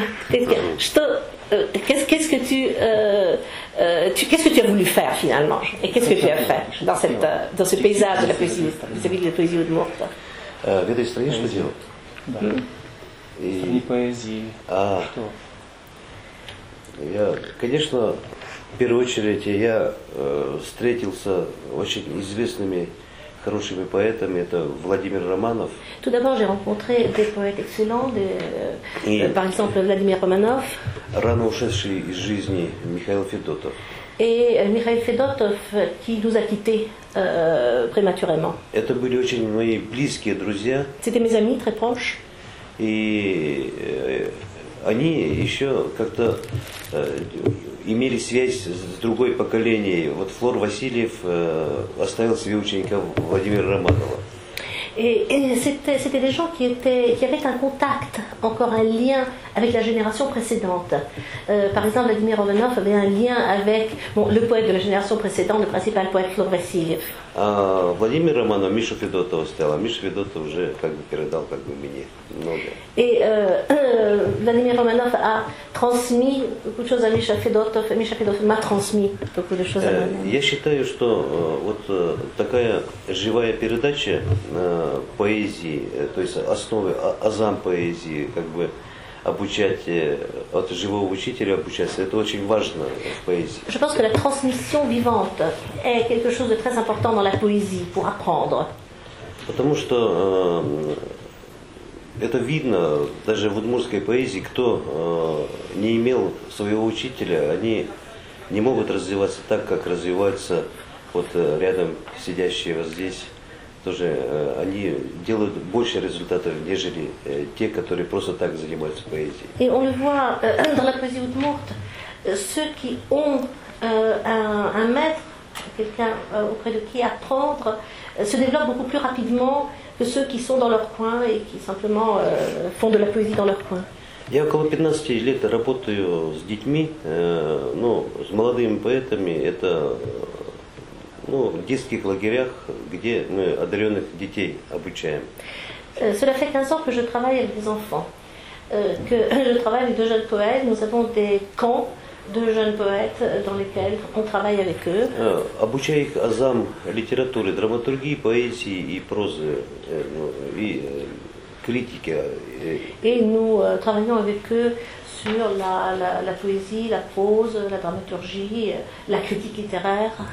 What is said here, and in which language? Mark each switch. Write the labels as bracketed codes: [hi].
[fr] Qu'est-ce que tu as voulu faire finalement, et qu'est-ce que tu as fait dans ce paysage de la poésie, celui de la poésie oudmourte? Vous avez travaillé, je veux dire. Une poésie. [ru] Я, конечно, в первую очередь я встретился очень известными хорошими поэтами. Это Владимир Романов. [fr] Tout d'abord, j'ai rencontré des poètes excellents, par exemple Владимир Романов. [ru] Рано ушедший из жизни Михаил Федотов. [fr] Et Михаил Федотов, qui nous a quittés prématurément. [ru] Это были очень мои близкие друзья. [fr] C'était mes amis très proches. [ru] И они еще как-то имели связь с другой поколением. Вот Флор Васильев оставил себе ученика Владимира Романова. [fr] C'était des gens qui avaient un contact, encore un lien avec la génération précédente. Par exemple, Vladimir Romanov avait un lien avec le poète de la génération précédente, le principal poète Flor Vassiliev. Vladimir Romanov, Mishu Fedotov, c'était là. [ru] Mishu Fedotov, уже как бы передал как бы мне много. [fr] Et Vladimir Romanov a transmis beaucoup de choses à Mishu Fedotov. Mishu Fedotov m'a transmis beaucoup de choses à moi. [ru] Я считаю, что вот такая живая передача поэзии, то есть основы, азам поэзии, как бы обучать от живого учителя обучаться, это очень важно в поэзии. [fr] Je pense que la transmission vivante est quelque chose de très important dans la poésie pour apprendre. [ru] Потому что это видно даже в удмуртской поэзии, кто не имел своего учителя, они не могут развиваться так, как развиваются вот рядом сидящие вот здесь. Тоже они делают больше результатов, нежели те, которые просто так занимаются поэзией. [fr] Et on le voit dans la poésie oudmourte, ceux qui ont un maître, quelqu'un auprès de qui apprendre, se développent beaucoup plus rapidement que ceux qui sont dans leur coin et qui simplement font de la poésie dans leur coin. [ru] Я около 15 лет работаю с детьми, ну, с молодыми поэтами, это ну, в детских лагерях, где мы одаренных детей обучаем. [fr] Cela fait 15 ans que je travaille avec des enfants. Que je travaille avec de jeunes poètes. Nous avons des camps de jeunes poètes dans lesquels on travaille avec eux. [ru] Обучаю их азам литературы, драматургии, поэзии и прозы, и критики. [fr] Et nous travaillons avec eux sur la poésie, la prose, la dramaturgie, la critique littéraire.